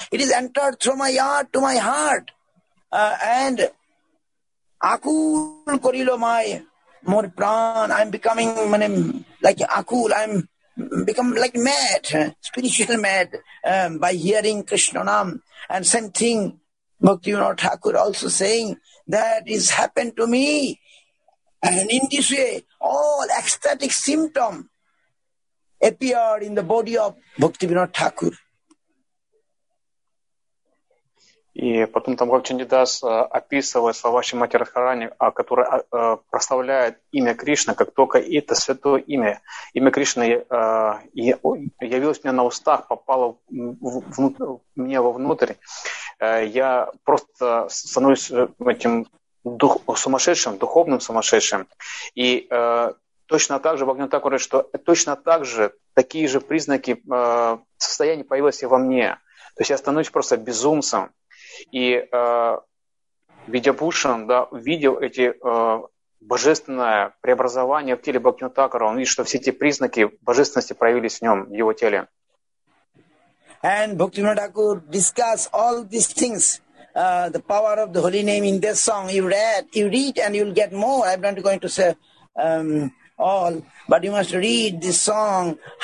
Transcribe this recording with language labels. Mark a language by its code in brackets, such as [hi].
[en] It is entered through my heart to my heart. And [bn] Akul Kurilo Mai More Pran, [en] I'm becoming like Akul, I'm become like mad, spiritual mad, by hearing Krishna Nam. And same thing, Bhaktivinoda Thakur also saying, that has happened to me. And in this way, all ecstatic symptom appeared in the body of Bhaktivinoda Thakur. [ru] И потом там Бхакти Нидас описывает слова Шримати Радхарани, которые прославляют имя Кришны, как только это святое имя. Имя Кришны явилось мне на устах, попало мне вовнутрь. Я просто становлюсь этим сумасшедшим, духовным сумасшедшим. И точно так же Бхакти Нидас говорит, что точно так же такие же признаки состояния появились и во мне. То есть я становлюсь просто безумцем. И Видьябхушан, да, увидел эти божественное преобразование в теле Бхактивинода Тхакура, он видит, что все эти признаки божественности проявились в нем, в его теле. [en] And Bhaktivinoda Thakur discuss all these things, the power of the holy name in this song. You read, and you'll get more. I'm not going to say all, but you must read this song.